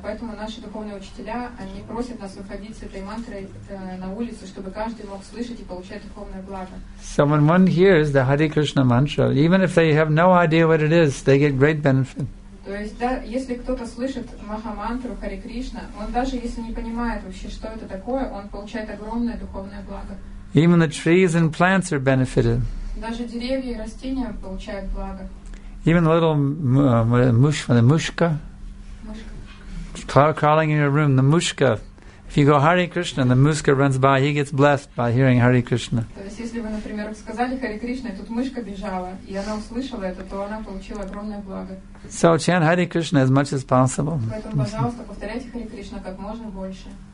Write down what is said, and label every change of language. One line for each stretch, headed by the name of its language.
Russian: Поэтому наши духовные учителя, они просят нас выходить с этой мантрой на улицу, чтобы каждый мог слышать и получать духовное благо.
English: So when one hears the Hare Krishna mantra, even if they have no idea what it is, they get great benefit.
Russian: То есть, да, если кто-то слышит Маха-мантру Харе Кришна, он даже если не понимает вообще, что это такое, он получает огромное духовное благо.
English: Even the trees and plants are benefited.
Russian: Даже деревья и растения получают благо.
English: Even the little
Russian: mushka.
English: Crawling in your room, the mushka. If you go Hare Krishna, the
Russian: mushka
English: runs by, he gets blessed by hearing Hare Krishna.
Russian: То есть, если вы, например, сказали Hare Krishna, тут мышка бежала, и она услышала это, то она получила огромное благо.
English: So chant Hare Krishna as much as possible.
Russian: Поэтому, пожалуйста, повторяйте Hare Krishna как можно больше.